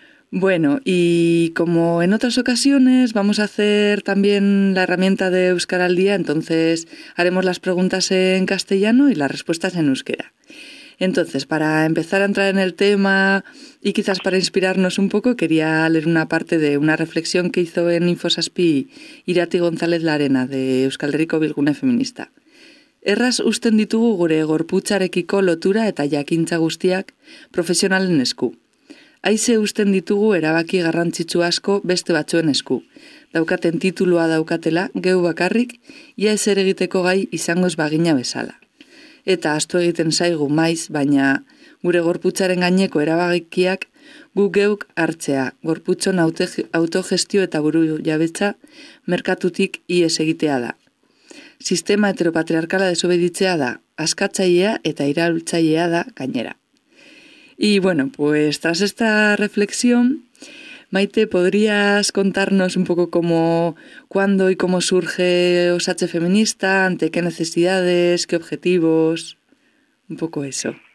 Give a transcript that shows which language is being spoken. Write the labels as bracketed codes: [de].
[es] Bueno, y como en otras ocasiones, vamos a hacer también la herramienta de Euskar al Día, entonces haremos las preguntas en castellano y las respuestas en euskera. Entonces, para empezar a entrar en el tema y quizás para inspirarnos un poco, quería leer una parte de una reflexión que hizo en Infosaspi Irati González Larena, de Euskal Herriko Bilgune Feminista. [eu] Erraz usten ditugu gure gorputzarekiko lotura eta jakintza guztiak profesionalen esku. Haize usten ditugu erabaki garrantzitsu asko beste batzuen esku. Daukaten titulua daukatela, geu bakarrik, ia ezer egiteko gai izango ez bagina bezala. Eta astu egiten zaigu maiz, baina gure gorputzaren gaineko erabakiak gu geuk hartzea, gorputzon autogestio eta buru jabetza merkatutik ies egitea da. Sistema heteropatriarkala desobeditzea da, askatzailea eta iraultzailea da gainera. [es] Y bueno, pues tras esta reflexión, Maite, ¿podrías contarnos un poco cómo, cuándo y cómo surge Os H Feminista, ante qué necesidades, qué objetivos, un poco eso?